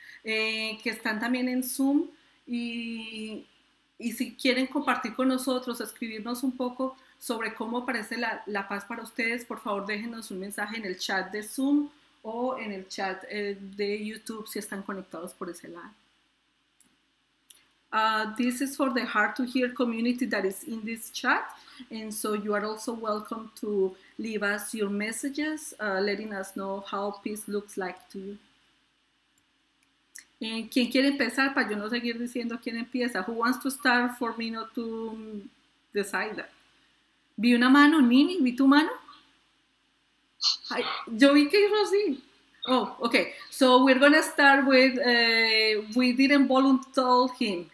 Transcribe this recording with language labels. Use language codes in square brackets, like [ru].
[es] Que están también en Zoom y si quieren compartir con nosotros, escribirnos un poco sobre cómo parece la paz para ustedes, por favor déjenos un mensaje en el chat de Zoom o en el chat de YouTube si están conectados por ese lado. [en] This is for the Hard to Hear community that is in this chat, and so you are also welcome to leave us your messages, letting us know how peace looks like to you. [es] ¿Quién quiere empezar para yo no seguir diciendo quién empieza? [en] Who wants to start for me not to decide that? [es] ¿Vi una mano, Nini? ¿Vi tu mano? Ay, yo vi que hizo así. Oh, okay. [en] So we're going to start with, we didn't voluntold him.